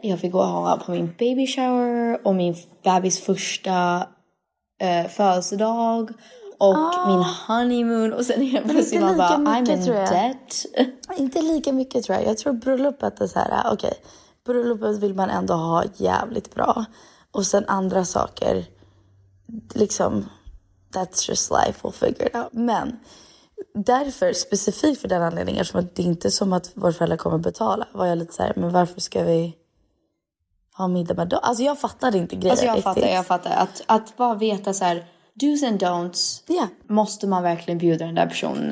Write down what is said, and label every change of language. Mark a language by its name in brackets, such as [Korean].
[Swedish] Jag vill gå all out på min baby shower. Och min bebis första födelsedag. Och min honeymoon. Och sen helt plötsligt man bara, mycket, [English] I'm in debt. [Swedish] Inte lika mycket, tror jag. Jag tror bröllopet är så här, okej. Bröllopet vill man ändå ha jävligt bra. Och sen andra saker. Liksom, [English] that's just life, we'll figure it out. [Swedish] Men därför, specifikt för den anledningen, eftersom att det inte är som att våra föräldrar kommer betala, var jag lite så här, men varför ska vi ha middag med dem? Alltså jag fattade inte grejen. Alltså jag fattar. Att bara veta så här, [English] do's and don'ts. Yeah. [Swedish] Måste man verkligen bjuda den där personen?